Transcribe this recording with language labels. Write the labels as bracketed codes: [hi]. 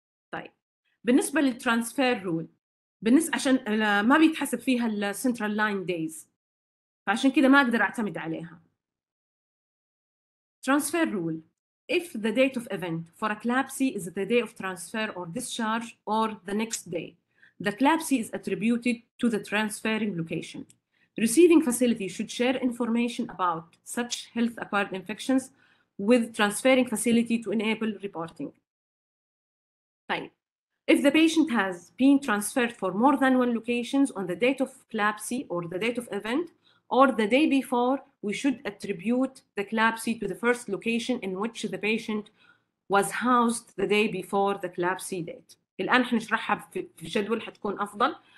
[ar] طيب بالنسبه للترانسفير رول، بالنسبه عشان ما بيتحسب فيها السنترال لاين دايز، فعشان كده ما اقدر اعتمد عليها. ترانسفير رول: [en] if the date of event for a CLABSI is the day of transfer or discharge or the next day, the CLABSI is attributed to the transferring location. Receiving facility should share information about such health acquired infections with transferring facility to enable reporting. Fine. If the patient has been transferred for more than one locations on the date of CLABSI or the date of event or the day before, we should attribute the CLABSI to the first location in which the patient was housed the day before the CLABSI date. [ar] الآن حنشرحها في جدول حتكون أفضل.